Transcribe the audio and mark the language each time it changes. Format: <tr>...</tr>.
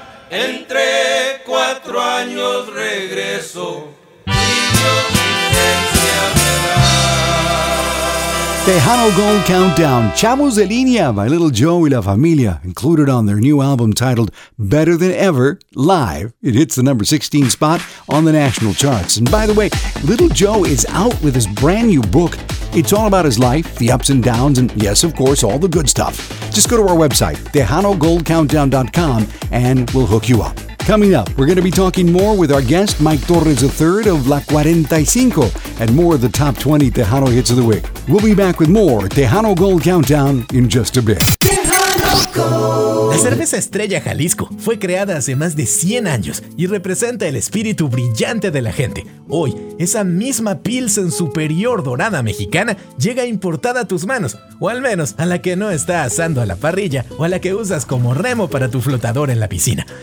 <es>entre 4 años regreso y yo licencia me da.</es> <en>Tejano Gold Countdown, Chamos de Línea by Little Joe y La Familia, included on their new album titled Better Than Ever, live. It hits the number 16 spot on the national charts. And by the way, Little Joe is out with his brand new book. It's all about his life, the ups and downs, and yes, of course, all the good stuff. Just go to our website, TejanoGoldCountdown.com, and we'll hook you up. Coming up, we're going to be talking more with our guest, Mike Torres III of La 45, and more of the top 20 Tejano hits of the week. We'll be back with more Tejano Gold Countdown in just a bit.</en> <es>La cerveza Estrella Jalisco fue creada hace más de 100 años y representa el espíritu brillante de la gente. Hoy, esa misma Pilsen Superior Dorada mexicana llega importada a tus manos, o al menos a la que no está asando a la parrilla o a la que usas como remo para tu flotador en la piscina.</es>